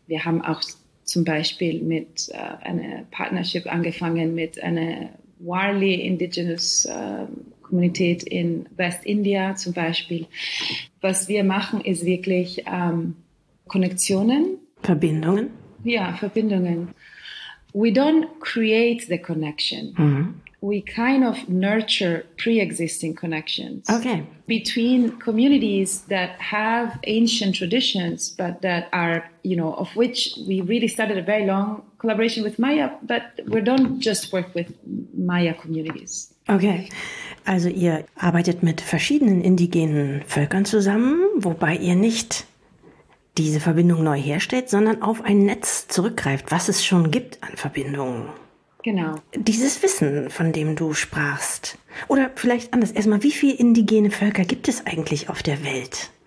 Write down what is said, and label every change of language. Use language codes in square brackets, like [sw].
[de] Wir haben auch zum Beispiel mit einer Partnership angefangen mit einer Warli Indigenous Community in West India zum Beispiel. Was wir machen, ist wirklich Konnektionen. Verbindungen? Ja, Verbindungen. [en] We don't create the connection. Mhm. We kind of nurture pre-existing connections. Okay. Between communities that have ancient traditions, but that are, you know, of which we really started a very long collaboration with Maya, but we don't just work with Maya communities. [de] Okay, also ihr arbeitet mit verschiedenen indigenen Völkern zusammen, wobei ihr nicht diese Verbindung neu herstellt, sondern auf ein Netz zurückgreift, was es schon gibt an Verbindungen. Genau. Dieses Wissen, von dem du sprachst, oder vielleicht anders, erstmal, wie viele indigene Völker gibt es eigentlich auf der Welt?